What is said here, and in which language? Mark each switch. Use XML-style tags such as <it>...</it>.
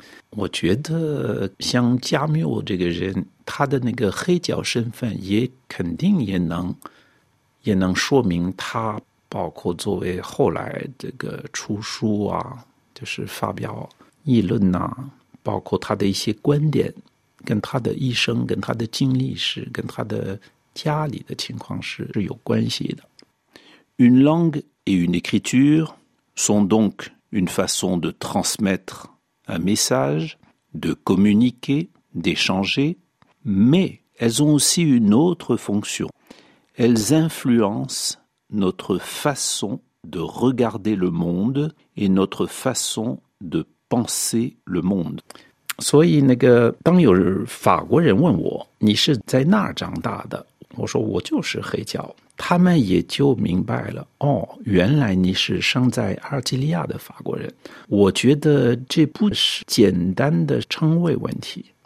<zh>我觉得像加缪这个人，他的那个黑脚身份也肯定也能说明他，包括作为后来这个出书啊，就是发表议论啊，包括他的一些观点，跟他的一生、跟他的经历是、跟他的家里的情况是有关系的。</zh> <fr>Une langue et une écriture sont donc une façon de transmettre. Un message, de communiquer, d'échanger, mais elles ont aussi une autre fonction. Elles influencent notre façon de regarder le monde et notre façon de penser le monde.</fr> <zh>所以那个当有法国人问我，你是在那儿长大的？我说我就是黑脚。他们也就明白了，哦，原来你是生在阿尔及利亚的法国人。我觉得这不是简单的称谓问题。</zh>